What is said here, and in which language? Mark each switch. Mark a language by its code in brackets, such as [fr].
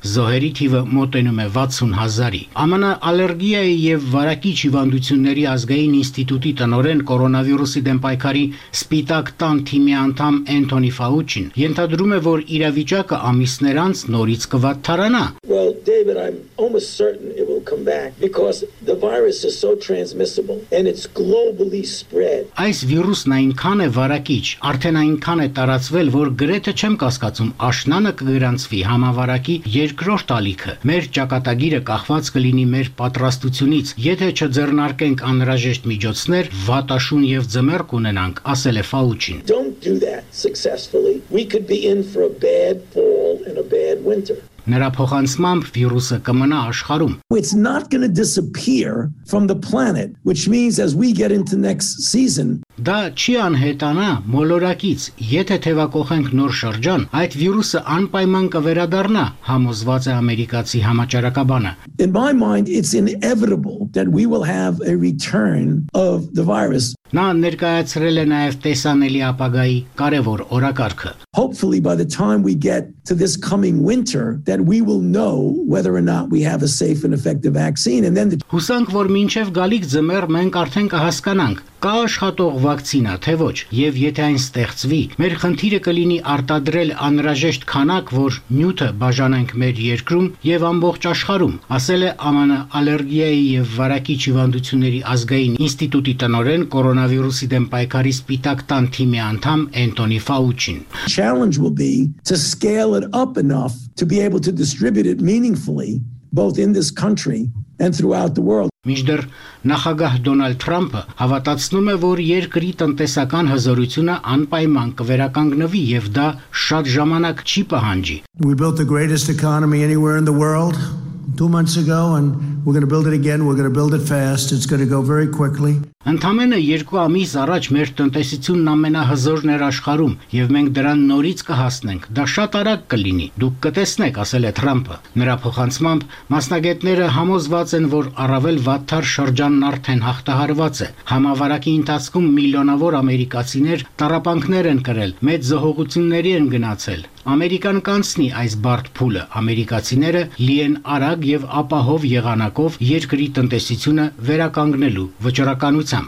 [hy] զոհերի թիվը մոտենում է 60,000-ի։ ԱՄՆ ալերգիայի և վարակիչ հիվանդությունների ազգային ինստիտուտի տնօրեն կորոնավիրուսի դեմ պայքարի Սպիտակ տան թիմի անդամ Էնթոնի Ֆաուչին ենթադրում է, որ իրավիճակը ամիսներ անց նորից կվատթարանա։ [en] Well, David, I'm almost certain it will come back because the virus is so transmissible and it's globally spread. [hy] Այս վիրուսն այնքան է վարակիչ, արդեն այնքան է տարածվել, որ գրեթե չեմ կասկածում աշնանը կգրանցվի համավարակի երկրորդ ալիքը։ Մեր ճակատագիրը կախված կլինի մեր պատրաստությունից, եթե չձեռնարկենք անհրաժեշտ միջոցներ, վատաշուն եւ ձմեռ կունենանք, ասել է Ֆաուչին։ [en] Don't do that successfully. We could be in for a bad fall and a bad winter. [hy] Նրա փոխանցմամբ վիրուսը կմնա աշխարում։ [en] It's not going to disappear from the planet, which means as we get into next season. [hy] Դա չի անհետանա մոլորակից, եթե թևակոխենք նոր շրջան, այդ վիրուսը անպայման կվերադառնա, համոզված է ամերիկացի համաճարակաբանը։ [en] In my mind, it's inevitable that we will have a return of the virus. [hy] Նա ներկայացրել է նաև տեսանելի ապագայի կարևոր օրակարգը։ [en] Hopefully by the time we get to this coming winter that we will know whether or not we have a safe and effective vaccine and then [hy] Հուսանք որ մինչև գալիք ձմեր մենք արդեն կհասկանանք կա աշխատող վակցինա թե ոչ, եւ եթե այն ստեղծվի, մեր խնդիրը կլինի արտադրել անհրաժեշտ քանակ, որ նյութը բաժանենք մեր երկրում եւ ամբողջ աշխարում, ասել է ԱՄՆ ալերգիայի եւ վարակիչ հիվանդությունների ազգային ինստիտուտի տնօրեն կորոնավիրուսի դեմ պայքարի Սպիտակ տան թիմի անդամ Էնթոնի Ֆաուչին։ [en] Challenge will be to scale it up enough to be able to distribute it meaningfully both in this country and throughout the world. [hy] Միջդեռ նախագահ Դոնալդ Թրամփը հավատացնում է, որ երկրի տնտեսական հզորությունը անպայման կվերականգնվի եւ դա շատ ժամանակ չի պահանջի։ [en] We built the greatest economy anywhere in the world 2 months ago and we're going to build it again, we're going to build it fast, it's going to go very quickly. [hy] Ընդամենը 2 ամիս առաջ մեր տնտեսությունն ամենահզորն էր աշխարում եւ մենք դրան նորից կհասնենք։ Դա շատ արագ կլինի, դուք կտեսնեք, ասել է Թրամփը։ Նրա փոխանցմամբ մասնագետները համոզված են, որ առավել վատթար շրջանն արդեն հաղթահարված է։ Համավարակի ընթացքում միլիոնավոր ամերիկացիներ տառապանքներ են կրել, մեծ զոհողությունների են գնացել։ Ամերիկան կանցնի այս բարդ փուլը, ամերիկացիները լի են արագ եւ ապահով եղանակով երկրի տնտեսությունը վերականգնելու վճռական։